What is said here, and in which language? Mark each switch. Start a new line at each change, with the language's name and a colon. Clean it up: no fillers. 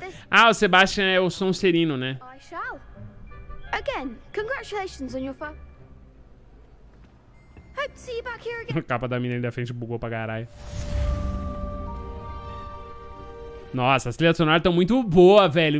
Portuguese: Ah, o Sebastian é o Sonserino, né?
English: Again, congratulations on your first... Hope to see you back here again.
Portuguese: A capa da mina ali da frente bugou pra caralho. Nossa, as trilhas sonoras estão muito boas, velho.